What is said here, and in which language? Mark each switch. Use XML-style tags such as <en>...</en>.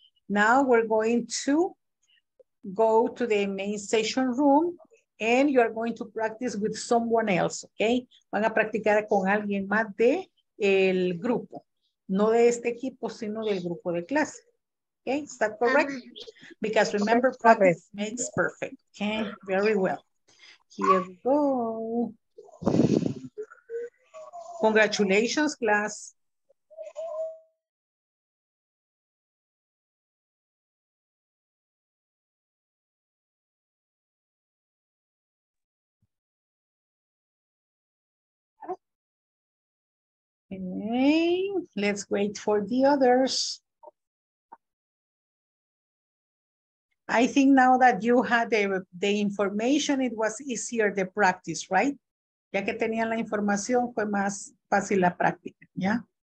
<en>Now we're going to go to the main session room and you are going to practice with someone else, okay?</en> <es>Van a practicar con alguien más de el grupo. No de este equipo, sino del grupo de clase.</es> <en>Okay, is that correct? Because remember, practice makes perfect. Okay, very well. Here we go. Congratulations, class. Okay, let's wait for the others. I think now that you had the information, it was easier the practice, right?</en> <es>Ya que tenían la información, fue más fácil la práctica, ¿ya?</es>